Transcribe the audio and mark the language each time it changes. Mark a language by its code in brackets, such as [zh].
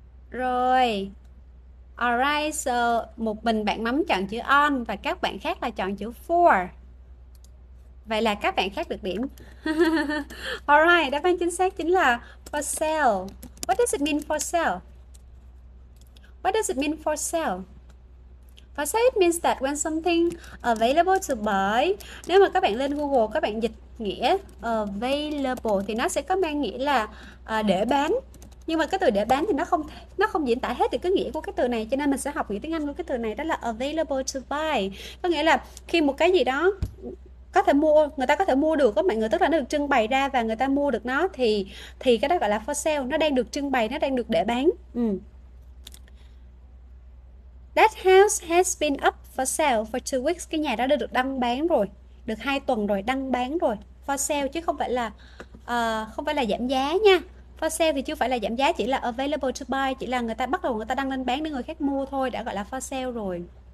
[vi] Rồi. Alright, so một mình bạn mắm chọn chữ on và các bạn khác là chọn chữ for. Vậy là các bạn khác được điểm. Alright, đáp án chính xác chính là for sale. [en] What does it mean for sale? What does it mean for sale? For sale it means that when something available to buy. [vi] Nếu mà các bạn lên Google, các bạn dịch nghĩa available thì nó sẽ có mang nghĩa là để bán. Nhưng mà cái từ để bán thì nó không diễn tả hết được cái nghĩa của cái từ này, cho nên mình sẽ học nghĩa tiếng Anh của cái từ này, đó là [en] available to buy. [vi] Có nghĩa là khi một cái gì đó có thể mua, người ta có thể mua được, có mọi người, tức là nó được trưng bày ra và người ta mua được nó thì cái đó gọi là for sale, nó đang được trưng bày, nó đang được để bán. [en] That house has been up for sale for 2 weeks. [vi] Cái nhà đó đã được đăng bán rồi, được 2 tuần rồi, đăng bán rồi. For sale chứ không phải là giảm giá nha. For sale thì chưa phải là giảm giá, chỉ là [en] available to buy, [vi] chỉ là người ta bắt đầu người ta đăng lên bán để người khác mua thôi, đã gọi là for sale rồi.